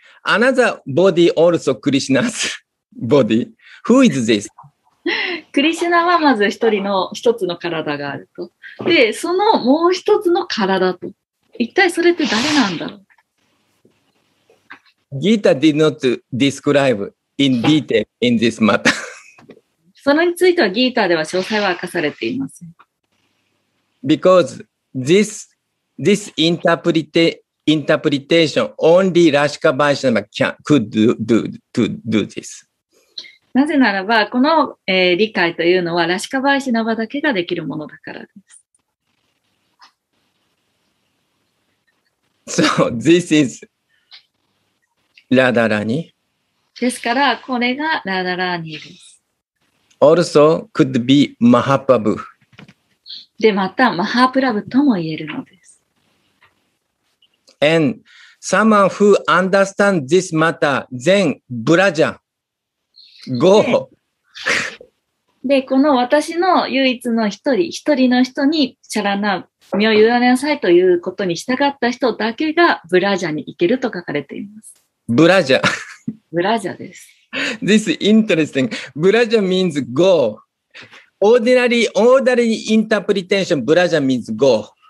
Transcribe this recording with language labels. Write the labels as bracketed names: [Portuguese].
[English] Another body also Krishna's body. Who is this? [Japanese] クリシュナはまず一人の一つの体があると。で、そのもう一つの体と。一体それって誰なんだろう [English] ?Gita did not describe in detail in this matter. [Japanese] それについては Gita では詳細は明かされていません。 [English] Because this interpretation only Rashika Vaishnava could do this. [Japanese] なぜならばこの、理解というのはラシカバイシナバだけができるものだからです。 [English] So this is Radharani. [Japanese] ですからこれがラダラーニです。 [English] Also could be Mahaprabhu. [Japanese] でまたマハプラブとも言えるのです。 [English] And someone who understands this matter, then Braja, go. [Japanese] で、この私の唯一の一人の人にシャラナ、身を委ねなさいということに従った人だけがブラジャに行けると書かれています。ブラジャ。ブラジャです。 [English] This is interesting. ブラジャ means go. Ordinary interpretation, ブラジャ means go.